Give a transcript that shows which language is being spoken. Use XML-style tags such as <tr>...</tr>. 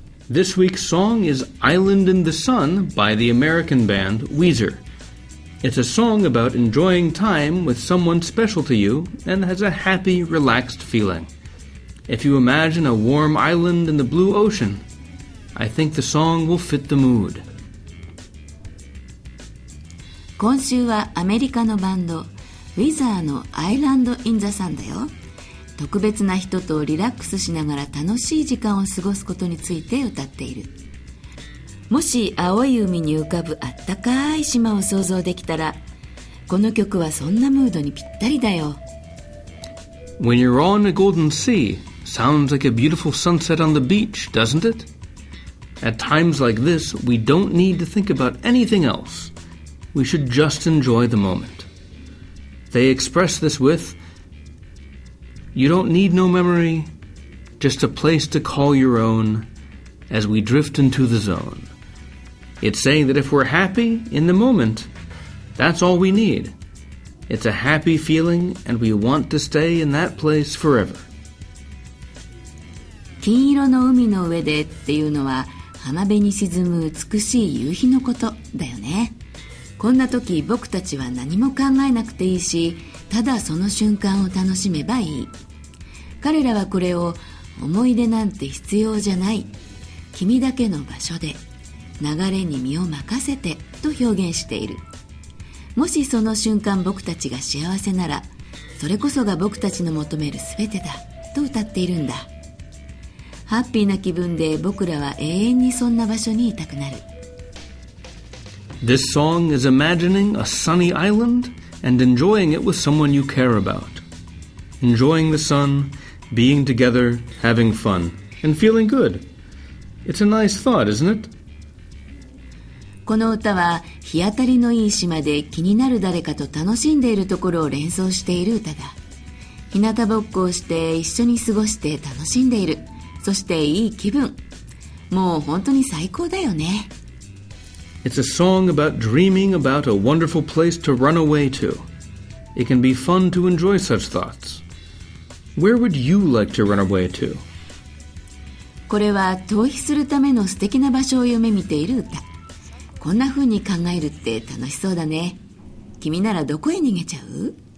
<en>This week's song is Island in the Sun by the American band Weezer. It's a song about enjoying time with someone special to you and has a happy, relaxed feeling. If you imagine a warm island in the blue ocean, I think the song will fit the mood.</en> <ja>今週はアメリカのバンド Weezer の Island in the Sun だよ。特別な人とリラックスしながら楽しい時間を過ごすことについて歌っている。もし青い海に浮かぶあったかい島を想像できたら、この曲はそんなムードにぴったりだよ。</ja> <en>When you're on a golden sea, sounds like a beautiful sunset on the beach, doesn't it? At times like this, we don't need to think about anything else. We should just enjoy the moment. They express this withYou don't need no memory, just a place to call your own as we drift into the zone. It's saying that if we're happy in the moment, that's all we need. It's a happy feeling and we want to stay in that place forever.</en> <ja>金色の海の上でっていうのは浜辺に沈む美しい夕日のことだよね。こんな時僕たちは何も考えなくていいし、ただその瞬間を楽しめばいい。彼らはこれを思い出なんて必要じゃない、君だけの場所で流れに身を任せてと表現している。もしその瞬間僕たちが幸せなら、それこそが僕たちの求める全てだと歌っているんだ。ハッピーな気分で僕らは永遠にそんな場所にいたくなる。</ja> <en>This song is imagining a sunny island and enjoying it with someone you care about. Enjoying the sun, being together, having fun, and feeling good. It's a nice thought, isn't it?</en> <ja>この歌は日当たりのいい島で気になる誰かと楽しんでいるところを連想している歌だ。日向ぼっこをして一緒に過ごして楽しんでいる。そしていい気分。もう本当に最高だよね。</ja> <en>It's a song about dreaming about a wonderful place to run away to. It can be fun to enjoy such thoughts. Where would you like to run away to?</en> <ja>これは逃避するための素敵な場所を夢見ている歌。こんな風に考えるって楽しそうだね。君ならどこへ逃げちゃう？</ja>